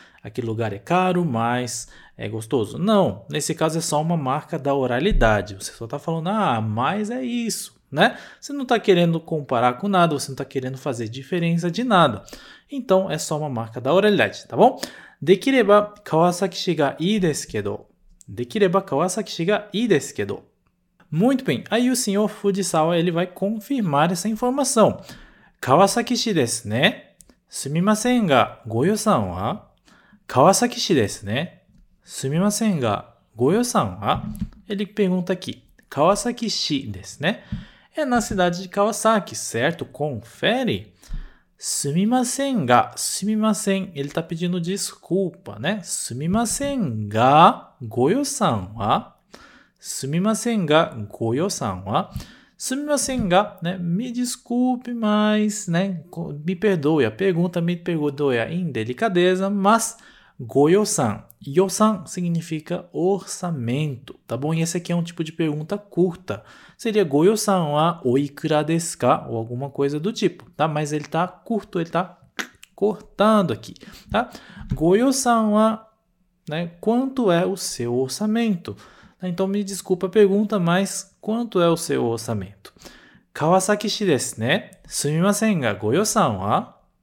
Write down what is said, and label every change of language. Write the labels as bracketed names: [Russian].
[Portuguese] Aquele lugar é caro, mas é gostoso. Não, nesse caso é só uma marca da oralidade. Você só está falando, ah, mas é isso, né? Você não está querendo comparar com nada, você não está querendo fazer diferença de nada. Então, é só uma marca da oralidade, tá bom? [Japanese] できれば川崎がいいですけど。できれば川崎がいいですけど。 [Portuguese] Muito bem, aí o senhor Fujisawa, ele vai confirmar essa informação. [Japanese] 川崎市ですね。すみませんが、ご予算は?川崎市ですね。すみませんが、ご予算は？ [Portuguese] Ele pergunta aqui. [Japanese] 川崎市ですね。 [Portuguese] É na cidade de Kawasaki, certo? Confere. [Japanese] すみませんが、すみません。 [Portuguese] Ele está pedindo desculpa, né? [Japanese] すみませんが、ご予算は？すみませんが、ご予算は？すみませんが、ね、 [Portuguese] me desculpe, mas, né, me perdoe a pergunta, me perdoe a indelicadeza, mas, goyosan. Yosan significa orçamento, tá bom? E esse aqui é um tipo de pergunta curta. Seria [Japanese] goyosan wa oikura desu ka? [Portuguese] Ou alguma coisa do tipo, tá? Mas ele tá curto, ele tá cortando aqui, tá? Goyosan wa, né, quanto é o seu orçamento? Então, me desculpa a pergunta, mas quanto é o seu orçamento? [Japanese] Kawasaki 市ですね。すみませんが、ご予算は？